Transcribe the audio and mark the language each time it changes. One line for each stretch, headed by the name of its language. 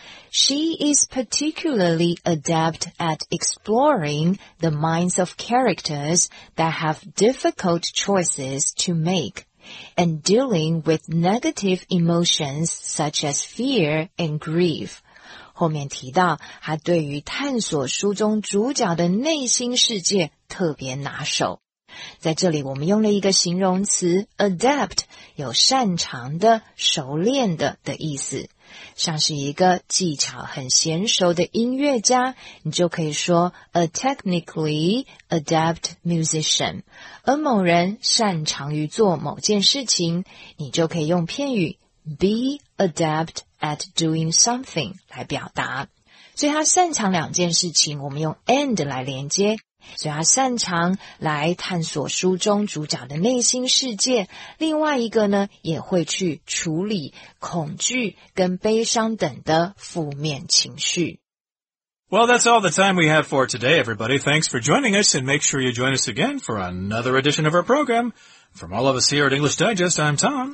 English: She is particularly adept at exploring the minds of characters that have difficult choices to make, and dealing with negative emotions such as fear and grief.
Chinese: 后面提到她对于探索书中主角的内心世界特别拿手。在这里我们用了一个形容词 adept, 有擅长的、熟练的的意思。像是一个技巧很娴熟的音乐家，你就可以说
English: a technically adept musician。
Chinese: 而某人擅长于做某件事情，你就可以用片语
English: be adept at doing something
Chinese: 来表达。所以他擅长两件事情，我们用 and 来连接。所以他擅长来探索书中主角的内心世界，另外一个呢，也会去处理恐惧跟悲伤等的负面情绪。
English: Well, that's all the time we have for today, everybody. Thanks for joining us, and make sure you join us again for another edition of our program. From all of us here at English Digest, I'm Tom.